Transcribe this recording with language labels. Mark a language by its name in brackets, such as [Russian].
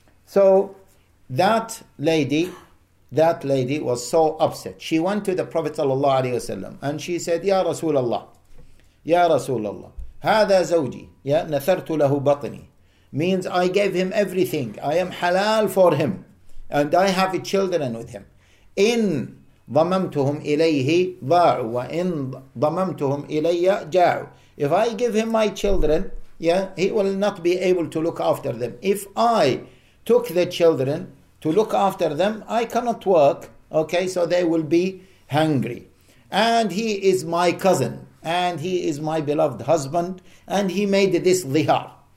[English] So that lady was so upset. She went to the Prophet sallallahu alayhi wasallam and she said, Ya Rasulallah, [Arabic] هذا زوجي يا نثرت له بطني, [English] means I gave him everything, I am halal for him, and I have children with him. [Arabic] إن ضممتهم إليه ضاعوا وإن ضممتهم إلي جاعوا. [English] If I give him my children, he will not be able to look after them. If I took the children to look after them, I cannot work, okay, so they will be hungry. And he is my cousin, and he is my beloved husband, and he made this dhihar.